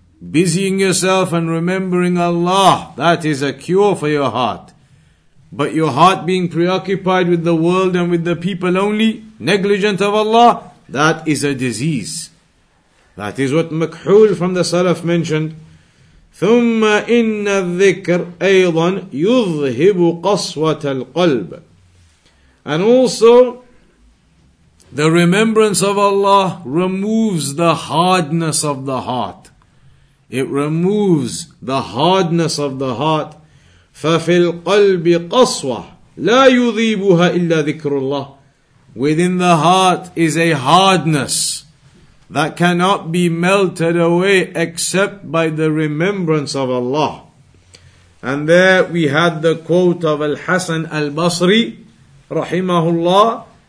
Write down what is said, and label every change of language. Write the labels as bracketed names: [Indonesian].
[English] Busying yourself and remembering Allah, that is a cure for your heart. But your heart being preoccupied with the world and with the people only, negligent of Allah, that is a disease. That is what Makhul from the Salaf mentioned. [Arabic] ثم إن الذكر أيضا يذهب قسوة القلب. [English] And also, the remembrance of Allah removes the hardness of the heart. It removes the hardness of the heart. [Arabic] ففي القلب قسوة لا يذيبها إلا ذكر الله. [English] Within the heart is a hardness that cannot be melted away except by the remembrance of Allah. And there we had the quote of Al-Hasan Al-Basri, rahimahullah,